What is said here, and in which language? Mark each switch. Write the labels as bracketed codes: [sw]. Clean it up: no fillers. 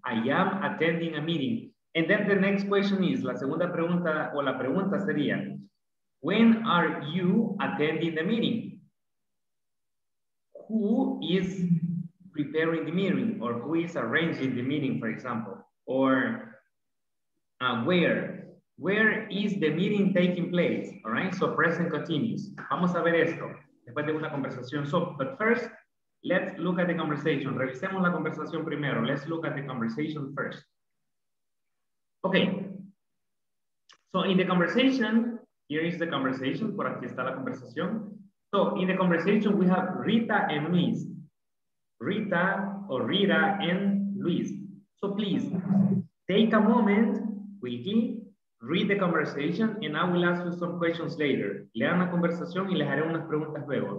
[en] I am attending a meeting. And then the next question is, [es] la segunda pregunta o la pregunta sería, [en] when are you attending the meeting? Who is preparing the meeting, or who is arranging the meeting, for example, or where is the meeting taking place, all right? So present continuous. [es] Vamos a ver esto, después de una conversación. [en] So, but first, let's look at the conversation. [es] Revisemos la conversación primero. [en] Let's look at the conversation first. Okay. So in the conversation, here is the conversation, [es] por aquí está la conversación. [en] So in the conversation, we have Rita and Luis. Rita or Rita and Luis. So please take a moment quickly, read the conversation, and I will ask you some questions later. [es] Lean la conversación y les haré unas preguntas luego.